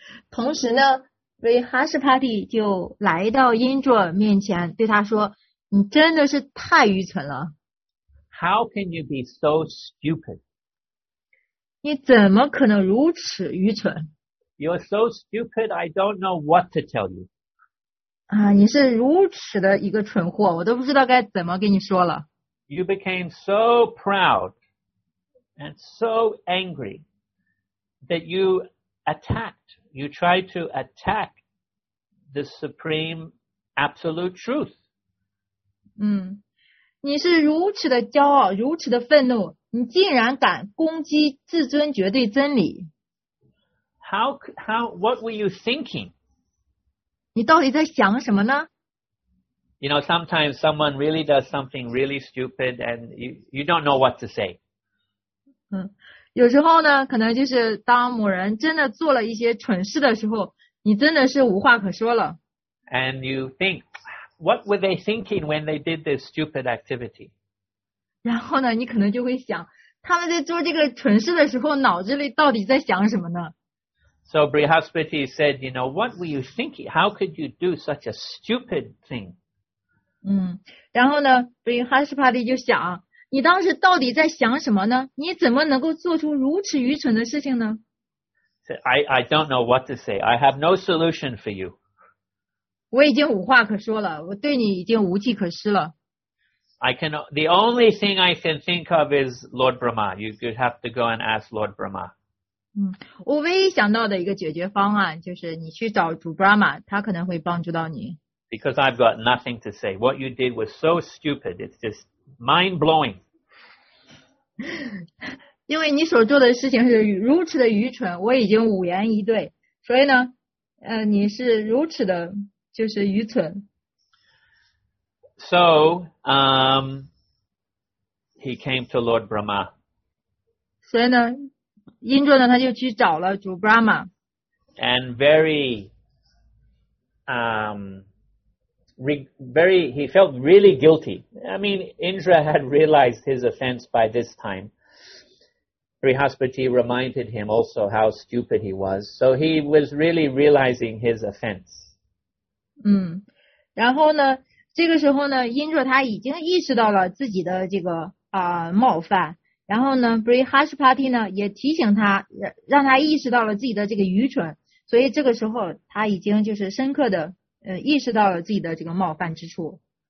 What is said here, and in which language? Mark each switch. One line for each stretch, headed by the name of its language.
Chinese: 同时呢 ,Brihaspati 就来到 Indra 面前对他说，你真的是太愚蠢了。
English: How can you be so stupid?
Chinese: 你怎么可能如此愚蠢？
English: You're so stupid, I don't know what to tell you.
Chinese: 你是如此的一个蠢货，我都不知道该怎么跟你说了。
English: You became so proud and so angry that you attacked, you tried to attack the supreme absolute truth.
Chinese: 你是如此的骄傲，如此的愤怒，你竟然敢攻击至尊绝对真理。
English: What were you thinking?
Chinese: 你到底在想什么呢？
English: You know, sometimes someone really does something really stupid and you don't know what to say.
Chinese: 有时候呢，可能就是当某人真的做了一些蠢事的时候，你真的是无话可说了。
English: And you think, what were they thinking when they did this stupid activity?
Chinese: 然后呢，你可能就会想，他们在做这个蠢事的时候，脑子里到底在想什么呢？
English: So Brihaspati said, you know, what were you thinking? How could you do such a stupid thing?
Chinese: 嗯，然后呢， Brihaspati 就想，你当时到底在想什么呢？你怎么能够做出如此愚蠢的事情呢？
English: I don't know what to say. I have no solution for you.
Chinese: 我已经无话可说了，我对你已经无计可施了。
English: The only thing I can think of is Lord Brahma. You have to go and ask Lord Brahma.
Chinese: 嗯，我唯一想到的一个解决方案就是你去找主 Brahma， 他可能会帮助到你。
English: Because I've got nothing to say. What you did was so stupid. It's just mind-blowing.
Chinese: 因为你所做的事情是如此的愚蠢，我已经五言一对。所以呢，你是如此的，就是愚蠢。
English: So, he came to Lord Brahma.
Chinese: 所以呢，因着呢，他就去找了主 Brahma.
English: And very, he felt really guilty. I mean, Indra had realized his offense by this time. Brihaspati reminded him also how stupid he was. So he was really realizing his offense.
Chinese: 嗯，然后呢，这个时候呢，Indra他已经意识到了自己的这个冒犯。然后呢，Brihaspati呢也提醒他，让他意识到了自己的这个愚蠢。所以这个时候他已经就是深刻的意识到了自己的这个冒犯之处。